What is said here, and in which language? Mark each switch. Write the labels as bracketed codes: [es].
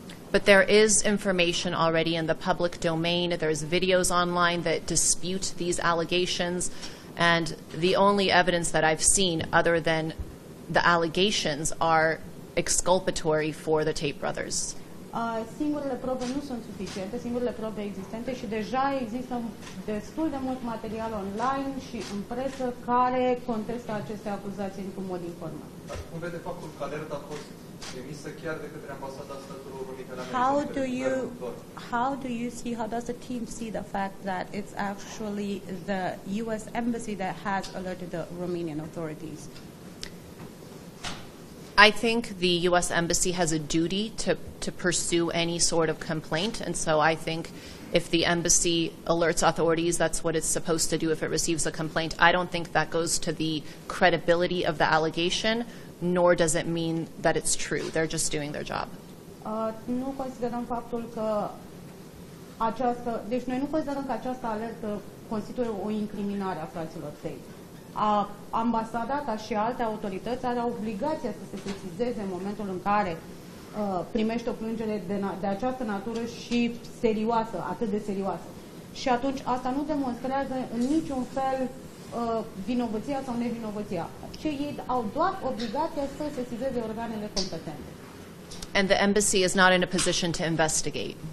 [en] But there is information already in the public domain. There is videos online that dispute these allegations. And the only evidence that I've seen other than the allegations are exculpatory for the Tate brothers. [ro] Singurele probe nu sunt suficiente, singurele probe existente și deja există destul de mult material online și în presă care contestă aceste acuzații într-un mod informat. Dar cum vede faptul că alerta a fost emisă chiar de către Ambasada Statelor Unite ale Americii? [en] How does the team see the fact that it's actually the U.S. Embassy that has alerted the Romanian authorities? I think the U.S. Embassy has a duty to pursue any sort of complaint, and so I think if the embassy alerts authorities, that's what it's supposed to do if it receives a complaint. I don't think that goes to the credibility of the allegation, nor does it mean that it's true. They're just doing their job. [ro] Nu considerăm faptul că această, deci noi nu considerăm că această alertă constituie o incriminare a fraților tăi. Ambasada, ca și alte autorități, are obligația să se sesizeze în momentul în care primește o plângere de această natură și serioasă, atât de serioasă. Și atunci asta nu demonstrează în niciun fel vinovăția sau nevinovăția. Ci ei au doar obligația să se sesizeze organele competente. [en] And the embassy is not in a position to investigate.